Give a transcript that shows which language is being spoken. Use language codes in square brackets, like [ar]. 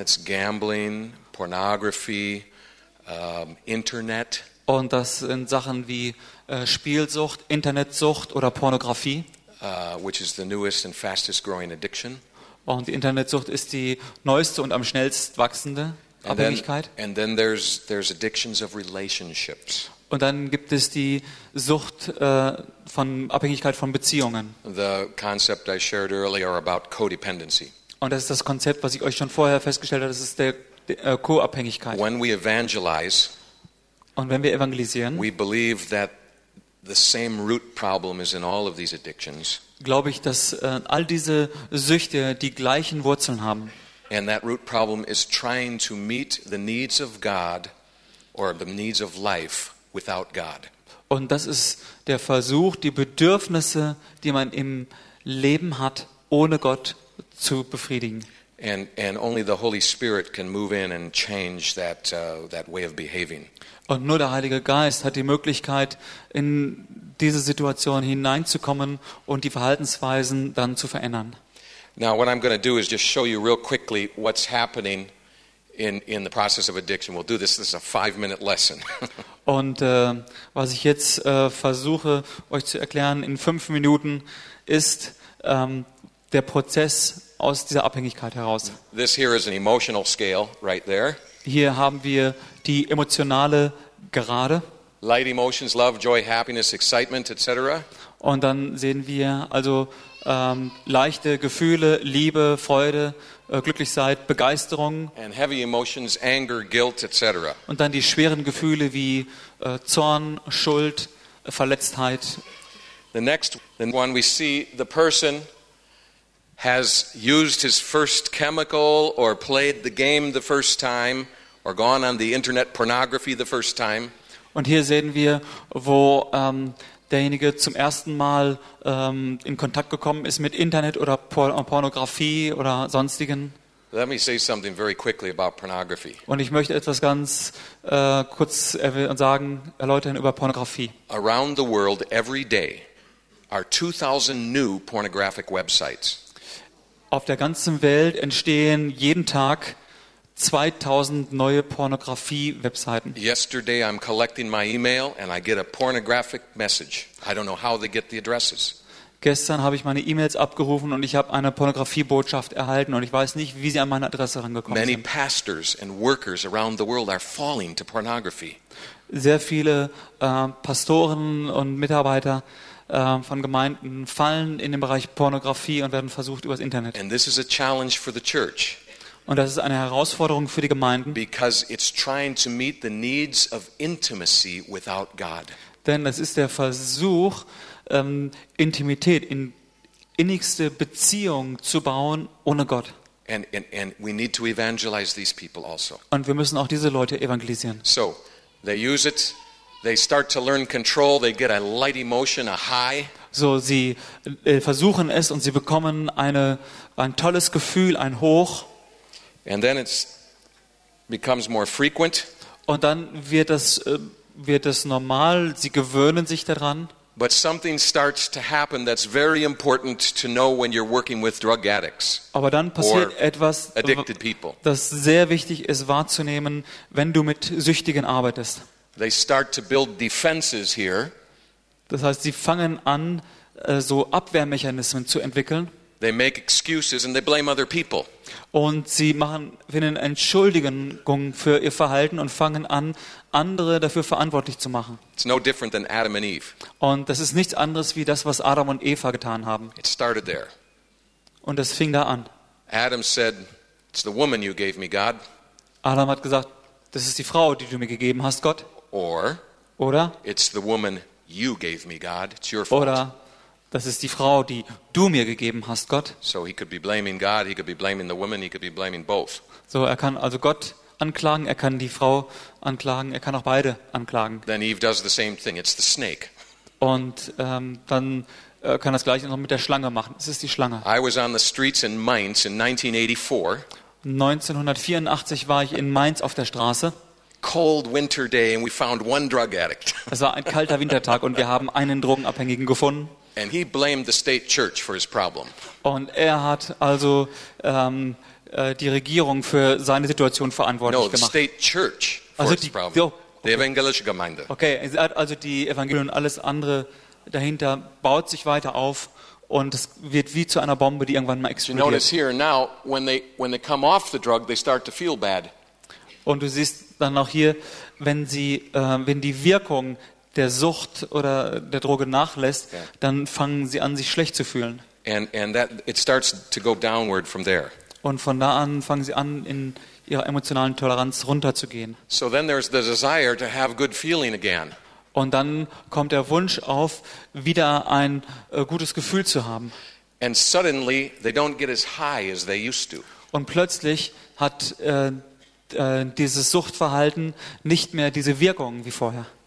[en] That's gambling, pornography, Internet. [de] Und das sind Sachen wie Spielsucht, Internetsucht oder Pornografie. [en] Which is the newest and fastest growing addiction. [de] Und die Internetsucht ist die neueste und am schnellst wachsende Abhängigkeit. [en] And then there's addictions of relationships. [de] Und dann gibt es die Sucht von Abhängigkeit von Beziehungen. [en] The concept I shared earlier about codependency. [de] Und das ist das Konzept, was ich euch schon vorher festgestellt habe, das ist der Co-Abhängigkeit. [en] When we evangelize, [de] und wenn wir evangelisieren, [en] we believe that the same root problem is in all of these addictions. [de] Glaube ich, dass all diese Süchte die gleichen Wurzeln haben. [en] And that root problem is trying to meet the needs of God or the needs of life without God. [de] Und das ist der Versuch, die Bedürfnisse, die man im Leben hat, ohne Gott zu befriedigen. [en] And only the Holy Spirit can move in and change that way of behaving. [de] Und nur der Heilige Geist hat die Möglichkeit, in diese Situation hineinzukommen und die Verhaltensweisen dann zu verändern. [en] Now what I'm going to do is just show you real quickly what's happening in the process of addiction. We'll do this. This is a 5-minute lesson. [de] Und was ich jetzt versuche euch zu erklären in 5 Minuten ist der Prozess aus dieser Abhängigkeit heraus. [en] This here is an emotional scale right there. [de] Hier haben wir die emotionale Gerade. [en] Light emotions, love, joy, happiness, excitement, etc. [de] Und dann sehen wir also leichte Gefühle, Liebe, Freude, Glücklichsein, Begeisterung. [en] And heavy emotions, anger, guilt, etc. [de] Und dann die schweren Gefühle wie Zorn, Schuld, Verletztheit. [en] The next one we see the person has used his first chemical or played the game the first time or gone on the internet pornography the first time. [de] Und hier sehen wir, wo derjenige zum ersten Mal in Kontakt gekommen ist mit Internet oder Pornografie oder sonstigen. [en] Let me say something very quickly about pornography. [de] Und ich möchte etwas ganz kurz erläutern über Pornografie. [en] Around the world every day are 2000 new pornographic websites. [de] Auf der ganzen Welt entstehen jeden Tag 2000 neue Pornografie-Webseiten. [en] Yesterday I'm collecting my email and I get a pornographic message. I don't know how they get the addresses. [de] Gestern habe ich meine E-Mails abgerufen und ich habe eine Pornografie-Botschaft erhalten und ich weiß nicht, wie sie an meine Adresse rangekommen [en] Many [de] sind. [en] Many pastors and workers around the world are falling to pornography. [de] Sehr viele Pastoren und Mitarbeiter von Gemeinden fallen in den Bereich Pornografie und werden versucht übers Internet. [en] And this is a challenge for the church. [de] Und das ist eine Herausforderung für die Gemeinden. [en] Because it's trying to meet the needs of intimacy without God. [de] Denn es ist der Versuch, Intimität in innigste Beziehung zu bauen ohne Gott. [en] And we need to evangelize these people also. [de] Und wir müssen auch diese Leute evangelisieren. [en] So, they use it. They start to learn control. They get a light emotion, a high. [de] So, sie versuchen es und sie bekommen ein tolles Gefühl, ein Hoch. [en] And then it becomes more frequent. [de] Und dann wird das normal. Sie gewöhnen sich daran. [en] But something starts to happen that's very important to know when you're working with drug addicts. [de] Aber dann passiert etwas, [en] addicted people. [de] Das sehr wichtig ist wahrzunehmen, wenn du mit Süchtigen arbeitest. [en] They start to build defenses here. [de] Das heißt, sie fangen an, so Abwehrmechanismen zu entwickeln. [en] They make excuses and they blame other people. [de] Und sie machen, finden Entschuldigungen für ihr Verhalten und fangen an, andere dafür verantwortlich zu machen. [en] It's no different than Adam and Eve. [de] Und das ist nichts anderes wie das, was Adam und Eva getan haben. [en] It started there. [de] Und es fing da an. [en] Adam said, "It's the woman you gave me, God." [de] Adam hat gesagt, das ist die Frau, die du mir gegeben hast, Gott. Oder [en] "It's the woman you gave me, God. It's your fault." [de] Oder das ist die Frau, die du mir gegeben hast, Gott. [en] So he could be blaming God, he could be blaming the woman, he could be blaming both. [de] So er kann also Gott anklagen, er kann die Frau anklagen, er kann auch beide anklagen. [en] Then Eve does the same thing. It's the snake. [de] Und dann kann das gleiche noch mit der Schlange machen. Es ist die Schlange. [en] I was on the streets in Mainz in 1984. [de] 1984 war ich in Mainz auf der Straße. [en] Cold winter day and we found one drug addict. [de] Es war ein kalter Wintertag und wir haben einen Drogenabhängigen gefunden. [en] And he blamed the state church for his problem. [de] Und er hat also die Regierung für seine Situation verantwortlich gemacht. [en] No, the state church for [de] also [en] his [de] die, [en] problem. The evangelische Gemeinde. [de] Okay, er hat also die Evangelie und alles andere dahinter baut sich weiter auf. Und es wird wie zu einer Bombe, die irgendwann mal explodiert. [en] You notice here now, when they come off the drug, they start to feel bad. [de] Und du siehst dann auch hier, wenn sie, wenn die Wirkung der Sucht oder der Droge nachlässt, yeah, dann fangen sie an, sich schlecht zu fühlen. [en] And that it starts to go downward from there. [de] Und von da an fangen sie an, in ihrer emotionalen Toleranz runterzugehen. [en] So then there's the desire to have good feeling again. [de] Und dann kommt der Wunsch auf, wieder ein gutes Gefühl zu haben. Und plötzlich hat dieses Suchtverhalten nicht mehr diese Wirkung wie vorher.